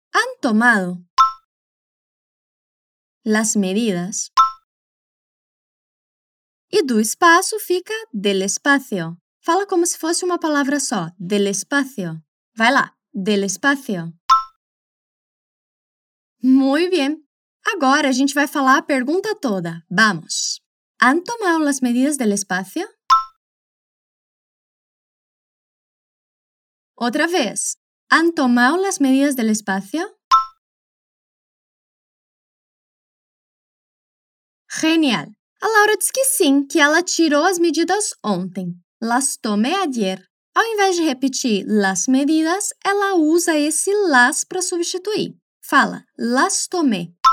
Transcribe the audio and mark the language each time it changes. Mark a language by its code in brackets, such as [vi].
[es] Han tomado las medidas [pt] e do espaço fica [es] del espacio. [pt] Fala como se fosse uma palavra só, del espacio. Vai lá, del espacio. Muy bien. Agora, a gente vai falar a pergunta toda. Vamos! [es] Han tomado las medidas del espacio? Outra vez. Han tomado las medidas del espacio? Genial! [pt] A Laura diz que sim, que ela tirou as medidas ontem. [es] Las tomé ayer. [pt] Ao invés de repetir las medidas, ela usa esse las para substituir. Fala, las tomé.